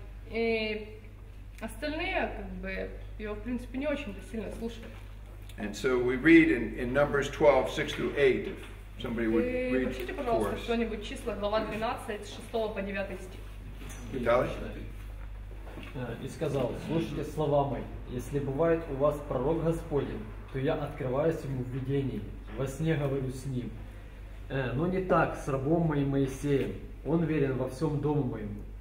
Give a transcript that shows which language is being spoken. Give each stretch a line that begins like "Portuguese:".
Russian: И остальные, как бы, его, в принципе, не очень-то сильно слушают.
English: And so we read in Numbers 12, 6 through 8, if somebody would read for us.
Russian: Прочитайте, пожалуйста, кто-нибудь числа, глава 12, 6 по 9 стих. И сказал, слушайте слова мои, если бывает у вас пророк Господень, то я открываюсь ему в видении, во сне говорю с ним. Но не так с рабом моим Моисеем, он верен во всем дому моему.